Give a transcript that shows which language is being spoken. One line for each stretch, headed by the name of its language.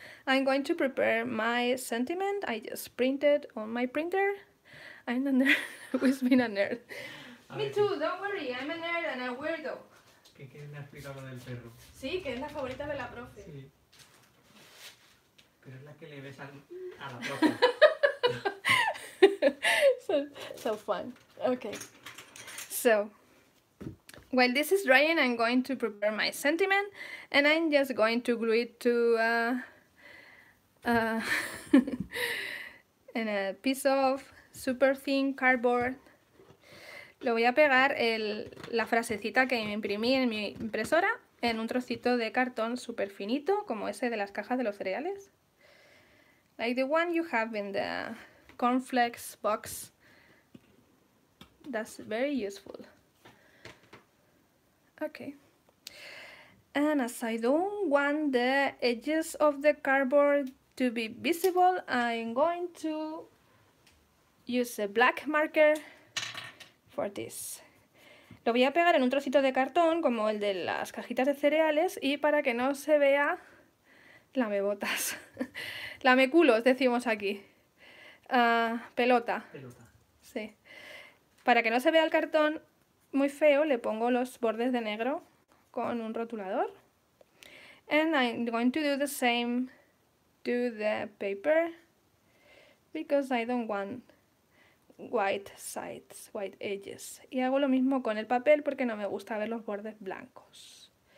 English: I'm going to prepare my sentiment. I just printed on my printer. I'm a nerd. Who's been a nerd? A Me ver, too, don't worry. I'm a nerd and a weirdo.
Spanish: ¿Qué me ha explicado del perro? Sí, que es la favorita de la profe. Sí. Pero es la que le ves a la profe.
English: so fun. Okay. So, while this is drying, I'm going to prepare my sentiment and I'm just going to glue it to and a piece of super thin cardboard.
Spanish: Lo voy a pegar la frasecita que imprimí en mi impresora en un trocito de cartón super finito, como ese de las cajas de los cereales.
English: Like the one you have in the cornflakes box. That's very useful. Okay, and as I don't want the edges of the cardboard to be visible, I'm going to use a black marker for this.
Spanish: Lo voy a pegar en un trocito de cartón, como el de las cajitas de cereales, y para que no se vea, lamebotas. Lameculos, decimos aquí. Pelota. Pelota. Sí. Para que no se vea el cartón muy feo, le pongo los bordes de negro con un rotulador.
English: And I'm going to do the same to the paper because I don't want white sides, white edges.
Spanish: Y hago lo mismo con el papel porque no me gusta ver los bordes blancos.